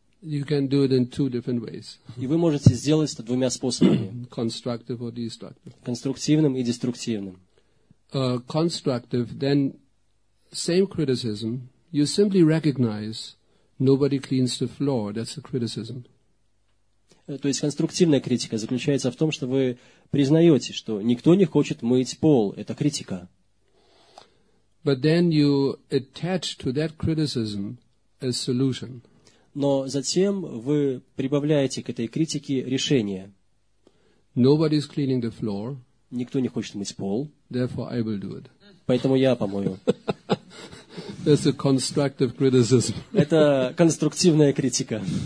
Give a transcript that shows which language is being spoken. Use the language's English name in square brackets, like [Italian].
[English] You can do it in two different ways. [Russian] И вы можете сделать это двумя способами. [English] Constructive or destructive. [Russian] Конструктивным и деструктивным. [English] Constructive, then same criticism. You simply recognize nobody cleans the floor. That's a criticism. [Russian] То есть конструктивная критика заключается в том, что вы признаете, что никто не хочет мыть пол. Это критика. [English] But then you attach to that criticism a solution. [Russian] Но затем вы прибавляете к этой критике решение. [English] Nobody is cleaning the floor. [Russian] Никто не хочет мыть пол. [English] Therefore, I will do it. [Russian] Поэтому я помою. [English] That's a constructive criticism. [Russian] Это конструктивная критика.